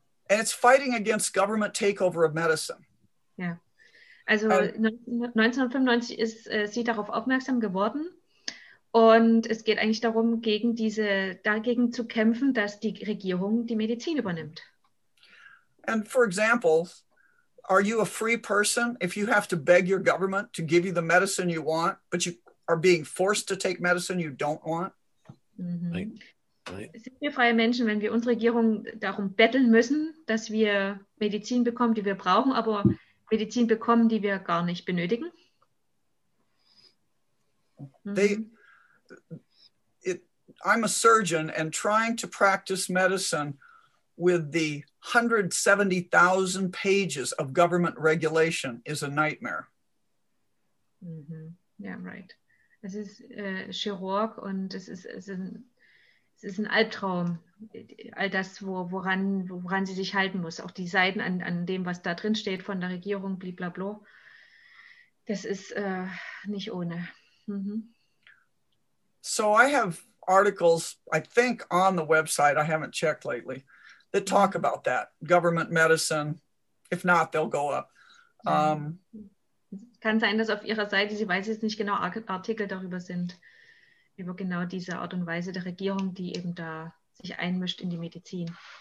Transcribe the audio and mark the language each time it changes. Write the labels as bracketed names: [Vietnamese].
[English] And it's fighting against government takeover of medicine. Yeah. [German] Also 1995 ist sie darauf aufmerksam geworden. Und es geht eigentlich darum, dagegen zu kämpfen, dass die Regierung die Medizin übernimmt. [English] And for example, are you a free person if you have to beg your government to give you the medicine you want, but you are being forced to take medicine you don't want? Mm-hmm. [German] Sind wir freie Menschen, wenn wir unsere Regierung darum betteln müssen, dass wir Medizin bekommen, die wir brauchen, aber Medizin bekommen, die wir gar nicht benötigen? Mhm. [English] I'm a surgeon and trying to practice medicine with the 170,000 pages of government regulation is a nightmare. Mhm. Yeah, right. [German] Es ist Chirurg und es ist ein Albtraum, all das, woran sie sich halten muss. Auch die Seiten an dem, was da drin steht von der Regierung, blablabla. Das ist nicht ohne. Mhm. [English] So I have articles, I think, on the website, I haven't checked lately, that talk about that. Government medicine, if not, they'll go up. [German] Kann sein, dass auf ihrer Seite, sie weiß jetzt nicht genau, Artikel darüber sind. Über genau diese Art und Weise der Regierung, die eben da sich einmischt in die Medizin.